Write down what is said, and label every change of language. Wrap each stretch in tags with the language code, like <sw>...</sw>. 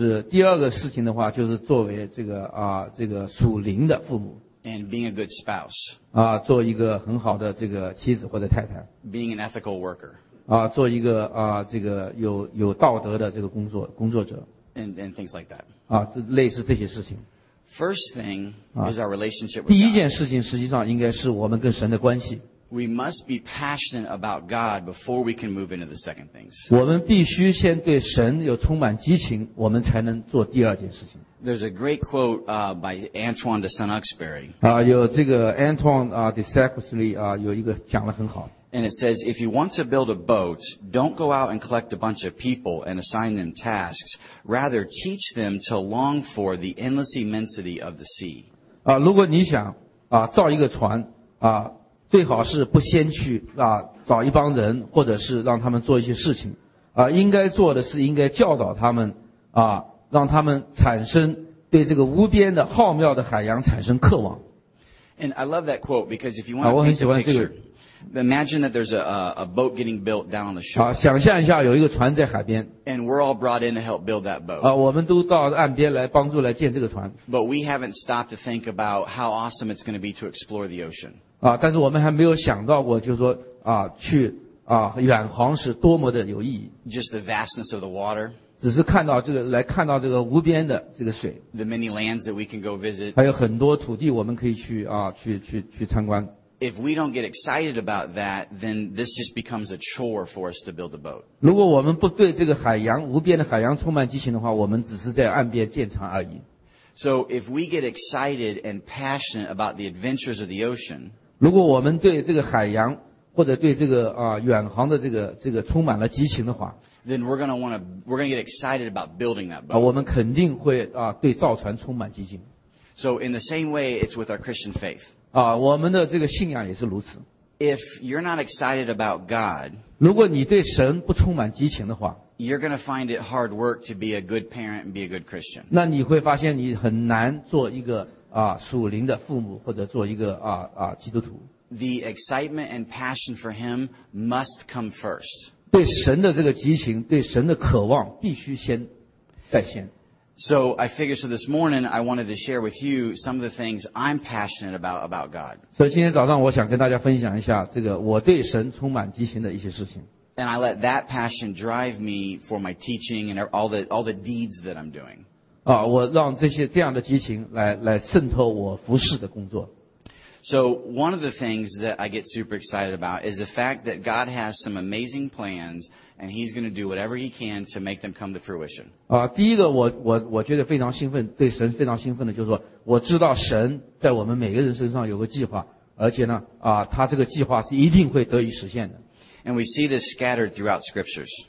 <zh>第二个事情的话就是作为这个属灵的父母。</zh> <en>And being a good spouse.</en> <zh>做一个很好的这个妻子或者太太。</zh> <en>Being an ethical worker.</en> <zh>做一个这个有道德的这个工作者。</zh> <en>And things like that.</en> <zh>类似这些事情。</zh> <en>First thing is our relationship with God.</en> <zh>第一件事情实际上应该是我们跟神的关系。</zh> <en>We must be passionate about God before we can move into the second things.</en> <zh>我们必须先对神有充满激情，我们才能做第二件事情。</zh> <en>There's a great quote by Antoine de Saint-Exupéry.</en> <zh>有这个 Antoine de Saint-Exupéry 有一个讲得很好。</zh> <en>And it says, if you want to build a boat, don't go out and collect a bunch of people and assign them tasks. Rather, teach them to long for the endless immensity of the sea.</en> <zh>如果你想造一个船最好是不先去找一帮人或者是让他们做一些事情。应该做的是应该教导他们让他们产生对这个无边的浩渺的海洋产生渴望。</zh> <en>And I love that quote because if you want to paint a picture, imagine that there's a boat getting built down on the shore.</en> <zh>想象一下有一个船在海边。</zh> <en>And we're all brought in to help build that boat.</en> <zh>我们都到岸边来帮助来建这个船。</zh> <en>But we haven't stopped to think about how awesome it's going to be to explore the ocean.</en> <zh>但是我们还没有想到过就是说去远航是多么的有意义。</zh> <en>Just the vastness of the water.</en> <zh>只是看到这个，来看到这个无边的这个水。</zh> <en>The many lands that we can go visit.</en> <zh>还有很多土地我们可以去去参观。</zh> <en>If we don't get excited about that, then this just becomes a chore for us to build a boat.</en> <zh>如果我们不对这个海洋无边的海洋充满激情的话，我们只是在岸边建船而已。</zh> <en>So if we get excited and passionate about the adventures of the ocean.</en> <zh>如果我们对这个海洋或者对这个远航的这个充满了激情的话。</zh> <en>Then we're going to get excited about building that boat.</en> <zh>我们肯定会对造船充满激情。</zh> <en>So in the same way, it's with our Christian faith.</en> <zh>我们的这个信仰也是如此。</zh> <en>If you're not excited about God,</en> <zh>如果你对神不充满激情的话</zh> <en>，you're going to find it hard work to be a good parent and be a good Christian.</en> <zh>那你会发现你很难做一个属灵的父母或者做一个基督徒。</zh> <en>The excitement and passion for Him must come first.</en> <zh>对神的这个激情，对神的渴望，必须先在先。</zh> <en>So I figured, so this morning I wanted to share with you some of the things I'm passionate about God.</en> <zh>所以今天早上我想跟大家分享一下这个我对神充满激情的一些事情。</zh> <en>And I let that passion drive me for my teaching and all the deeds that I'm doing.</en> <zh>啊，我让这些这样的激情来渗透我服事的工作。</zh> <en>So one of the things that I get super excited about is the fact that God has some amazing plans and he's going to do whatever he can to make them come to fruition.</en> <zh>第一个我觉得非常兴奋，对神非常兴奋的就是说，我知道神在我们每个人身上有个计划，而且呢，他这个计划是一定会得以实现的。</zh> <en>And we see this scattered throughout scriptures.</en>